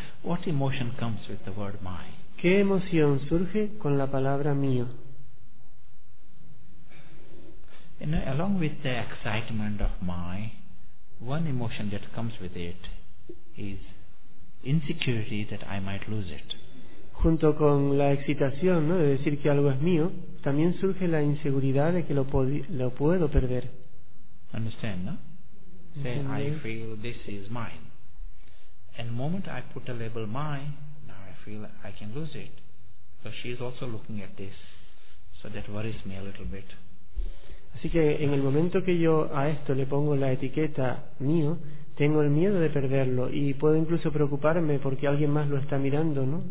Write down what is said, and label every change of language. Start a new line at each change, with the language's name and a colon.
English: What emotion comes with the word my?
Spanish: ¿Qué emoción surge con la palabra mío?
English: You know, along with the excitement of my, one emotion that comes with it is insecurity that I might lose it.
Spanish: Junto con la excitación, ¿no? De decir que algo es mío, también surge la inseguridad de que lo puedo perder.
English: Understand, ¿no? Say, I feel this is mine. And the moment I put a label my, now I feel I can lose it. So she is also looking at this. So that worries me a little bit.
Spanish: Así que en el momento que yo a esto le pongo la etiqueta mío, tengo el miedo de perderlo y puedo incluso preocuparme porque alguien más lo está mirando, ¿no?